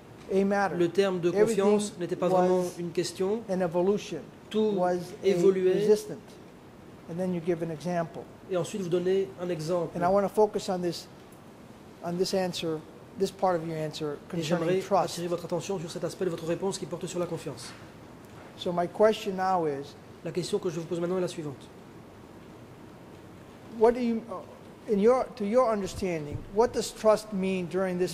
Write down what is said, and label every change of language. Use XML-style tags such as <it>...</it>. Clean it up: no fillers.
<fr>Le terme de confiance n'était pas vraiment une question. Tout évoluait</fr> <en>And then you give an example.</en> <fr>Et ensuite, vous donnez un exemple.</fr> <en>And I want to focus on this answer, this part of your answer concerning trust.</en> <fr>Et j'aimerais attirer votre attention sur cet aspect de votre réponse qui porte sur la confiance.</fr> <en>So my question now is,</en> <fr>la question que je vous pose maintenant est la suivante.</fr> <en>What do you, in your, to your understanding, what does trust mean during this</en>